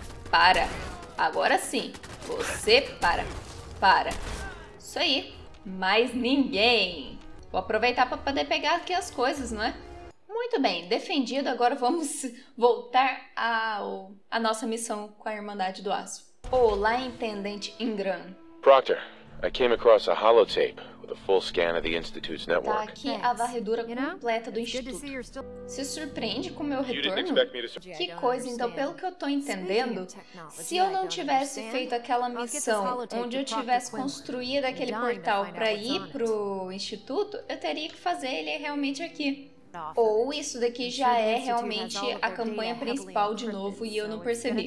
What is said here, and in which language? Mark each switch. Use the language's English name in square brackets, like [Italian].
[Portuguese] Para. Agora sim. Você para. Para. Isso aí. Mais ninguém. Vou aproveitar para poder pegar aqui as coisas, não é? Muito bem. Defendido. Agora vamos voltar à nossa missão com a Irmandade do Aço. Olá, Intendente Ingram. [English] Proctor, I came across a holotape with a full scan of the Institute's network. [Portuguese] Tá aqui a varredura completa do Instituto. Se surpreende com o meu retorno? Que coisa, então, pelo que eu tô entendendo, se eu não tivesse feito aquela missão onde eu tivesse construído aquele portal para ir pro Instituto, eu teria que fazer ele realmente aqui. Ou isso daqui já é realmente a campanha principal de novo e eu não percebi.